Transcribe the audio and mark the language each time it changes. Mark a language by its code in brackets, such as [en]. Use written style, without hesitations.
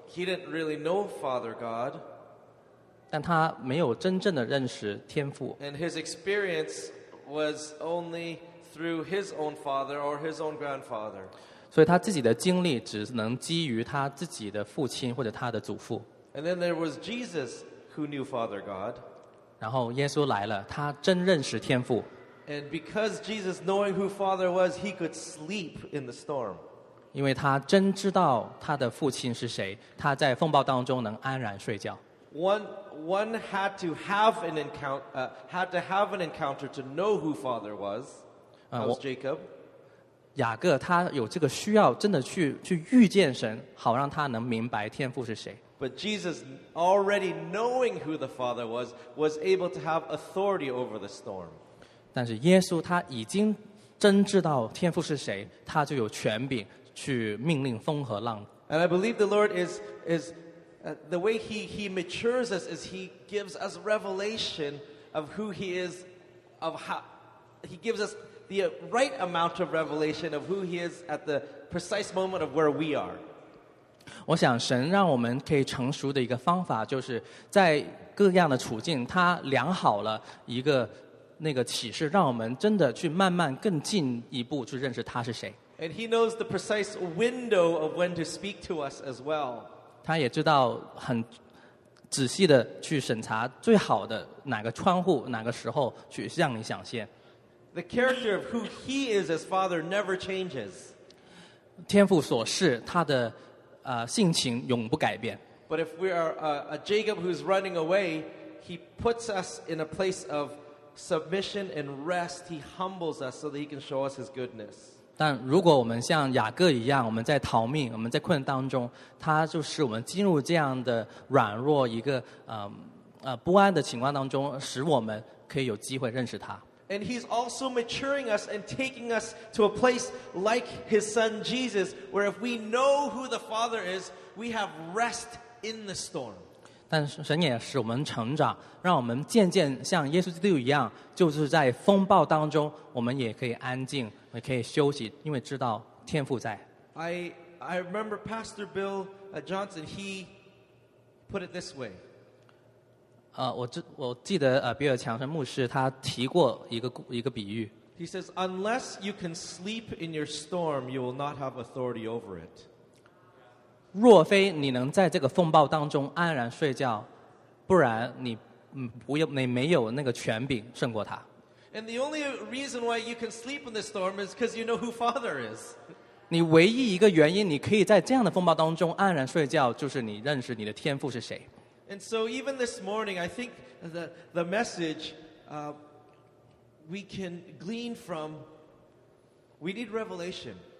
[en] He didn't really know Father God. [zh] 但他没有真正的认识天父。 [en] And his experience was only through his own father or his own grandfather. [zh] 所以他自己的经历只能基于他自己的父亲或者他的祖父。 [en] And then there was Jesus who knew Father God. [zh] 然后耶稣来了，他真认识天父。 [en] And because Jesus knowing who Father was, he could sleep in the storm. [zh] 因为他真知道他的父亲是谁，他在风暴当中能安然睡觉。 [en] One had to have an encounter, to know who Father was. That was Jacob. [zh] 雅各他有这个需要，真的去遇见神，好让他能明白天父是谁。 [en] But Jesus, already knowing who the Father was able to have authority over the storm. [zh] 但是耶稣他已经真知道天父是谁，他就有权柄去命令风和浪。 [en] And I believe the Lord is the way he matures us is he gives us revelation of who he is, of how he gives us. The right amount of revelation of who he is at the precise moment of where we are. [zh] 我想神让我们可以成熟的一个方法，就是在各样的处境，他量好了一个那个启示，让我们真的去慢慢更进一步去认识他是谁。 [en] And he knows the precise window of when to speak to us as well. [zh] 他也知道很仔细的去审查最好的哪个窗户，哪个时候去向你显现。 [en] The character of who he is as father never changes. [zh] 天父所示，他的性情永不改变。 [en] But if we are a Jacob who's running away, he puts us in a place of submission and rest. He humbles us so that he can show us his goodness. [zh] 但如果我们像雅各一样，我们在逃命，我们在困难当中，他就使我们进入这样的软弱一个不安的情况当中，使我们可以有机会认识他。 [en] And he's also maturing us and taking us to a place like his son Jesus, where if we know who the Father is, we have rest in the storm. [zh] 但神也使我们成长，让我们渐渐像耶稣基督一样，就是在风暴当中，我们也可以安静，也可以休息，因为知道天父在。 [en] I remember Pastor Bill Johnson, he put it this way. [zh] 我记得比尔强生牧师他提过一个比喻。 [en] He says, unless you can sleep in your storm, you will not have authority over it. [zh] 若非你能在这个风暴当中安然睡觉，不然你没有那个权柄胜过他。 [en] And the only reason why you can sleep in this storm is because you know who Father is. [zh] 你唯一一个原因你可以在这样的风暴当中安然睡觉，就是你认识你的天父是谁。 [en] And so even this morning, I think the message we can glean from, we need revelation.